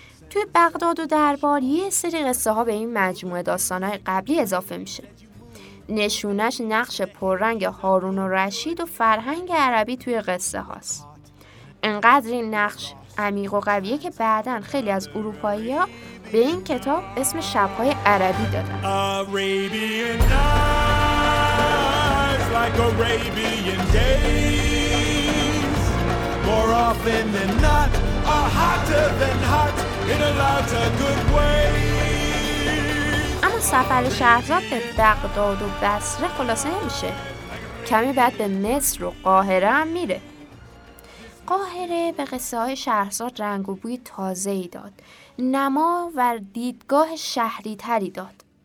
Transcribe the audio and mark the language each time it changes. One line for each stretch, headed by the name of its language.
Persian: توی بغداد و دربار یه سری قصه ها به این مجموعه داستان های قبلی اضافه میشه. نشونش نقش پررنگ هارون و رشید و فرهنگ عربی توی قصه هاست. انقدر این نقش عمیق و قویه که بعداً خیلی از اروپایی ها به این کتاب اسم شبهای عربی دادن.
English: Arabian nights, like Arabian days. More often than not, are hotter than hot in a lot of good ways.
Persian: سفر شهرزاد به بغداد و بصره خلاصه نمیشه، کمی بعد به مصر و قاهره هم میره. قاهره به قصه های شهرزاد رنگ و بوی تازه‌ای داد، نما و دیدگاه شهری تری داد.